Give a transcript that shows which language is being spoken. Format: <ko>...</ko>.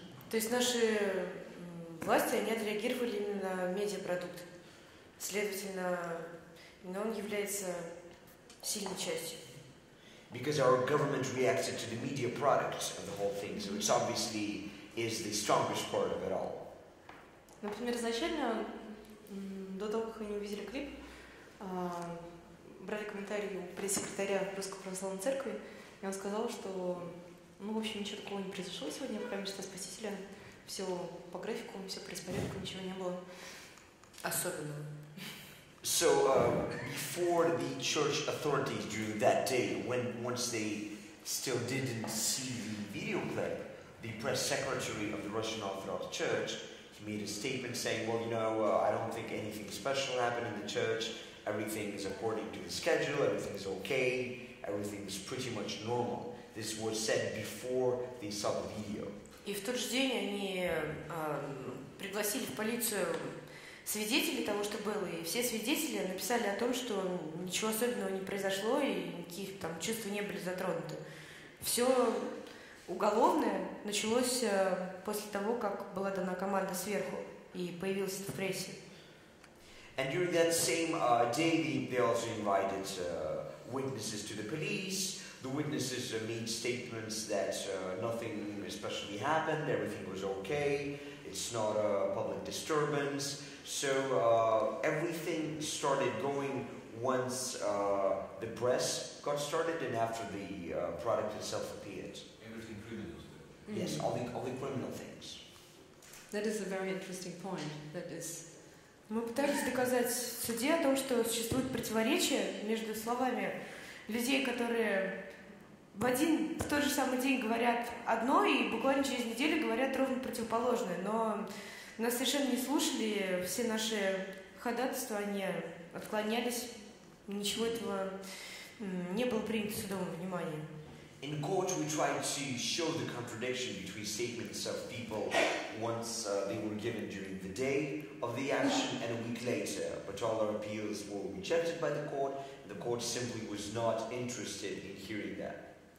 <ru>То есть наши власти, они отреагировали именно на медиапродукт. Следовательно, он является сильной частью.</ru> <en>Because our government reacted to the media products of the whole thing, so it's obviously is the strongest part of it all.</en> <ru>Например, изначально, до того, как они увидели клип, брали комментарии у пресс-секретаря Русской Православной Церкви, и он сказал, что, ну, в общем, ничего такого не произошло сегодня, в храме Христа Спасителя, все по графику, все по распорядку, ничего не было особенного.</ru> <en>So, before the church authorities during that day, when once they still didn't see the video clip, the press secretary of the Russian Orthodox Church, he made a statement saying, well, you know, I don't think anything special happened in the church. Everything is according to the schedule. Everything is okay. Everything is pretty much normal. This was said before they saw the video.</en> <ru>И в тот же день они пригласили в полицию свидетелей того, что было, и все свидетели написали о том, что ничего особенного не произошло, и никаких там чувств не были затронуты. Все уголовное началось после того, как была дана команда сверху, и появилось это в прессе.</ru> <en>And during that same day, they also invited witnesses to the police. The witnesses made statements that nothing especially happened, everything was okay, it's not a public disturbance. So everything started going once the press got started and after the product itself appeared. Everything criminal stuff. Yes, all the criminal things. That is a very interesting point. That is.</en> <ru>Мы пытались доказать суде о том, что существует противоречие между словами людей, которые в один в тот же самый день говорят одно и буквально через неделю говорят ровно противоположное, но нас совершенно не слушали, все наши ходатайства, они отклонялись, ничего этого не было принято судом внимания.</ru> <en>In court we tried to show the contradiction between statements of people once they were given during the day of the action and a week later, but all our appeals were rejected by the court, the court simply was not interested in hearing that.</en>